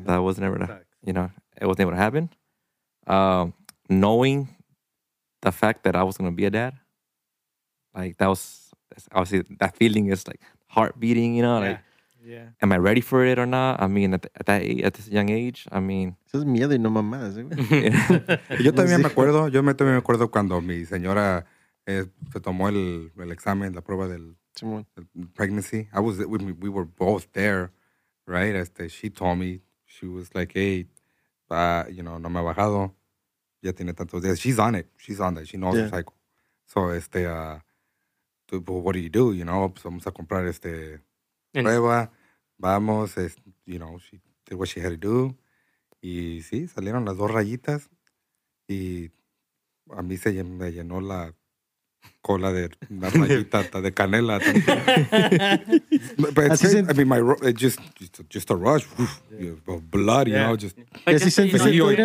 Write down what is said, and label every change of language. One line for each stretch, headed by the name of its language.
English: that was never, it wasn't able to happen. Knowing the fact that I was going to be a dad, like, that was, obviously, that feeling is, like, heart beating, you know? Yeah. Am I ready for it or not? I mean, at this young age, I mean.
Spanish: Eso es miedo y no mamadas. Yo también me acuerdo. Yo también me acuerdo cuando mi señora se tomó el examen, la prueba del pregnancy.
English: We were both there, right? She told me, she was like, hey,
Spanish: no me ha bajado. Ya tiene tantos días.
English: She's on it. She's on that. She knows the cycle. So, what do? You know,
Spanish: pues vamos a comprar prueba. Vamos,
English: she did what she had to do.
Spanish: Y sí, salieron las dos rayitas. Y a mí se me llenó la cola de una rayita de canela.
English: But just a rush. Uf, blood,
Spanish: Y